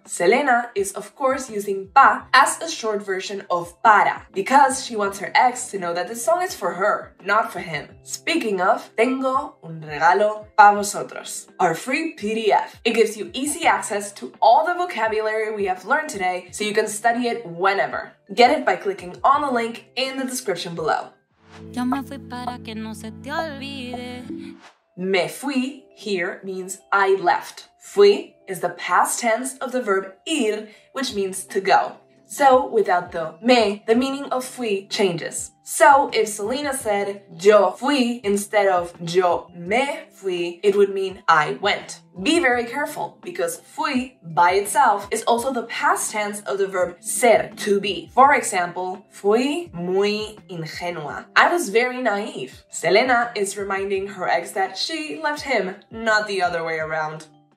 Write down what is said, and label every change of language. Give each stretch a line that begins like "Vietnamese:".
English: Selena is, of course, using pa as a short version of para, because she wants her ex to know that the song is for her, not for him. Speaking of,
Spanish: tengo un regalo para vosotros,
English: our free PDF. It gives you easy access to all the vocabulary we have learned today, so you can study it whenever. Get it by clicking on the link in the description below.
Spanish: Yo me fui para que no se te olvide.
English: Me fui here means I left. Fui is the past tense of the verb ir, which means to go. So without the me, the meaning of fui changes. So if Selena said yo fui instead of yo me fui, it would mean I went. Be very careful, because fui by itself is also the past tense of the verb ser, to be. For example,
Spanish: fui muy ingenua.
English: I was very naive. Selena is reminding her ex that she left him, not the other way around.